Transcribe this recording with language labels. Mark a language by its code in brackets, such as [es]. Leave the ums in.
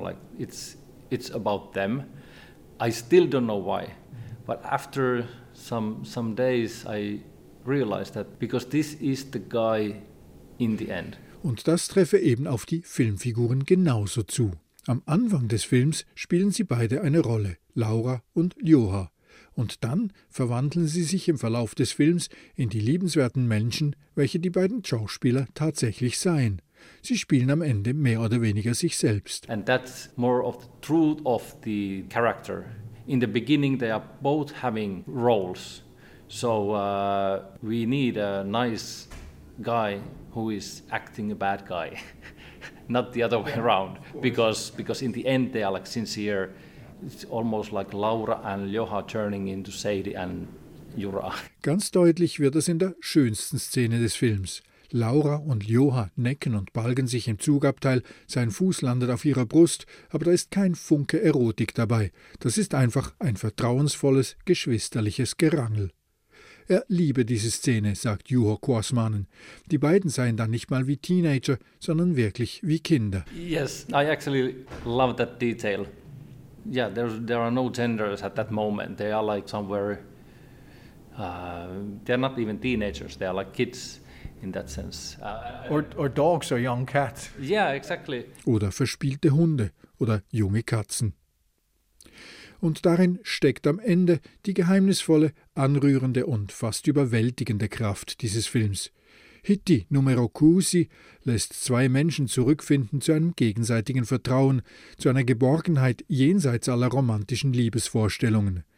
[en] Like it's it's about them. I still don't know why, but after some some days, I realized that because this is the, guy in the end. [de] Und das treffe eben auf die Filmfiguren genauso zu. Am Anfang des Films spielen sie beide eine Rolle, Laura und Joha und dann verwandeln sie sich im Verlauf des Films in die liebenswerten Menschen, welche die beiden Schauspieler tatsächlich seien. Sie spielen am Ende mehr oder weniger sich selbst. [en] And that's more of the truth of the character. In the beginning they are both having roles. So uh, we need a nice guy who is acting a bad guy. Not the other way around because, because the like sincere it's almost like Laura and Joha turning into Sadie and Jura. [de] Ganz deutlich wird es in der schönsten Szene des Films. Laura und Joha necken und balgen sich im Zugabteil, sein Fuß landet auf ihrer Brust, aber da ist kein Funke Erotik dabei. Das ist einfach ein vertrauensvolles, geschwisterliches Gerangel. Er liebe diese Szene, sagt Juho Korsmanen. Die beiden seien dann nicht mal wie Teenager, sondern wirklich wie Kinder. [en] Yes, I actually love that detail. Ja, yeah, there's, there are no genders at that moment. They are like somewhere, uh, they're not even teenagers, they are like kids in that sense. Uh, or, or dogs or young cats. Yeah, exactly. [de] Oder verspielte Hunde oder junge Katzen. Und darin steckt am Ende die geheimnisvolle, anrührende und fast überwältigende Kraft dieses Films. Hitty numero Cusi lässt zwei Menschen zurückfinden zu einem gegenseitigen Vertrauen, zu einer Geborgenheit jenseits aller romantischen Liebesvorstellungen.